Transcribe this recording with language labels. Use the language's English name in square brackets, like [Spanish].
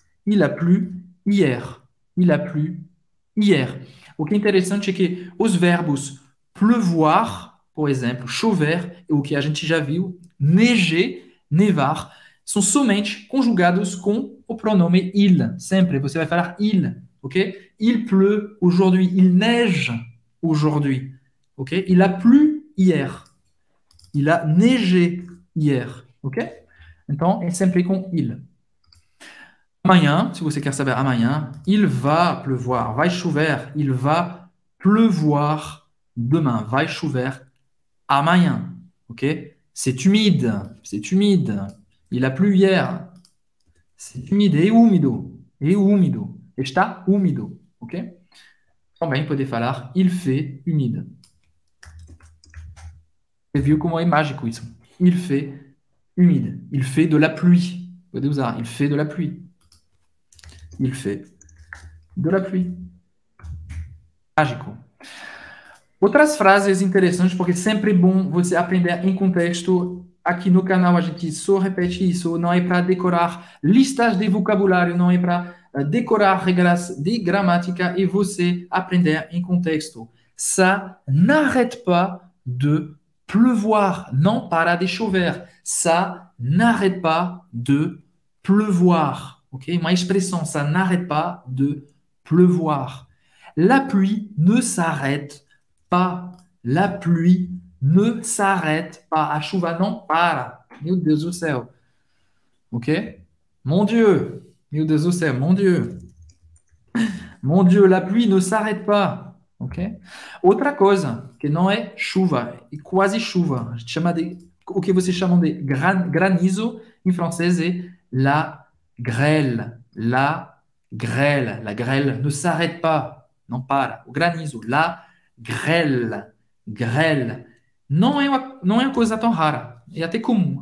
[French] Il a plu hier. Il a plu hier. [Portuguese] O que é interessante é que os verbos pleuvoir, por exemplo, chover, é o que a gente já viu, neiger, Nevar são somente conjugados com o pronome il. Sempre você vai falar il, ok? [French] Il pleut aujourd'hui, il neige aujourd'hui, ok? Il a plu hier, il a neigé hier, ok? [Portuguese] Então é sempre com il. Amanhã, se você quer saber amanhã, [French] il va pleuvoir, [Portuguese] vai chover, [French] il va pleuvoir demain, [Portuguese] vai chover amanhã, ok? [French] C'est humide, c'est humide. Il a plu hier. C'est humide, [Portuguese] é úmido, é úmido. Está úmido, ok? Também poder falar, [French] il fait humide. [Portuguese] Você viu como é mágico isso? [French] Il fait humide. Il fait de la pluie. [Portuguese] Pode usar, [French] il fait de la pluie. Il fait de la pluie. Mágico. [Portuguese] Outras frases interessantes, porque sempre é bom você aprender em contexto. Aqui no canal a gente só repete isso. Não é para decorar listas de vocabulário, não é para decorar regras de gramática e você aprender em contexto. [French] Ça n'arrête pas de pleuvoir. [Portuguese] Não para de chover. [French] Ça n'arrête pas de pleuvoir. [Portuguese] Okay? Uma expressão. [French] Ça n'arrête pas de pleuvoir. La pluie ne s'arrête pas. La pluie ne s'arrête pas. [Portuguese] A chuva não para. Meu Deus do céu. Ok? [French] Mon Dieu. [Portuguese] Meu Deus do céu. Mon Dieu. [French] Mon Dieu, la pluie ne s'arrête pas. Ok? [Portuguese] Outra coisa que não é chuva, é quase chuva. Chama de, o que vocês chamam de granizo em francês é la grêle. [French] La grêle. La grêle ne s'arrête pas. [Portuguese] Não para. O granizo. [French] La grêle, grêle. [Portuguese] Não é uma coisa tão rara. É até comum.